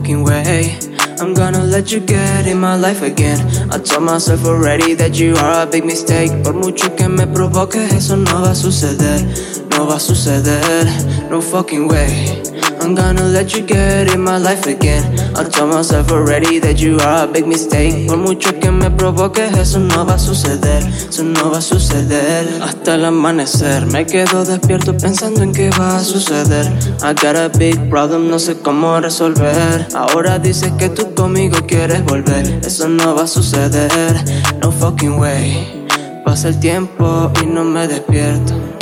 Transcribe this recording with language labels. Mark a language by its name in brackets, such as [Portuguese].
[English] Hey, I'm gonna let you get in my life again. I told myself already that you are a big mistake. [Spanish] Por mucho que me provoque, eso no va a suceder. No va a suceder, [English] no fucking way. I'm gonna let you get in my life again. I told myself already that you are a big mistake. [Spanish] Por mucho que me provoque, eso no va a suceder. Eso no va a suceder. Hasta el amanecer, me quedo despierto pensando en qué va a suceder. [English] I got a big problem, [Spanish] no sé cómo resolver. Ahora dices que tú conmigo quieres volver. Eso no va a suceder, [English] no fucking way. [Spanish] Pasa el tiempo y no me despierto.